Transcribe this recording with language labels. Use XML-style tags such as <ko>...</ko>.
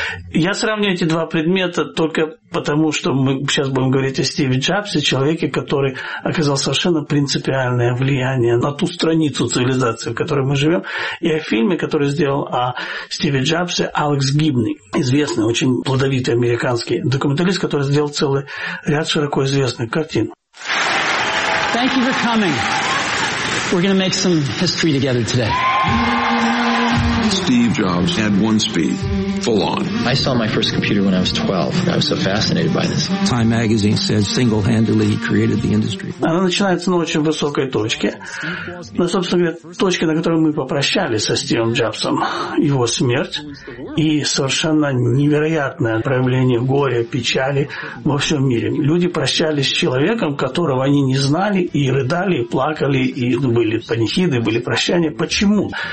<ru>Я сравниваю эти 2 предмета только потому, что мы сейчас будем говорить о Стиве Джобсе, человеке, который оказал совершенно принципиальное влияние на ту страницу цивилизации, в которой мы живем, и о фильме, который сделал о Стиве Джобсе Алекс Гибни, известный, очень плодовитый американский документалист, который сделал целый ряд широко известных картин.</ru> <en>Thank you for coming. We're going to make some history together today. Steve Jobs had one speed, full on. I saw my first computer when I was 12, and I was so fascinated by this. Time magazine says single-handedly he created the industry.</en> <ru>Она начинается на очень высокой точке. На, собственно говоря, точке, на которой мы попрощались со Стивом Джобсом. Его смерть и совершенно невероятное проявление горя, печали во всем мире. Люди прощались с человеком, которого они не знали, и рыдали, и плакали, и были панихиды, были прощания. Почему?</ru>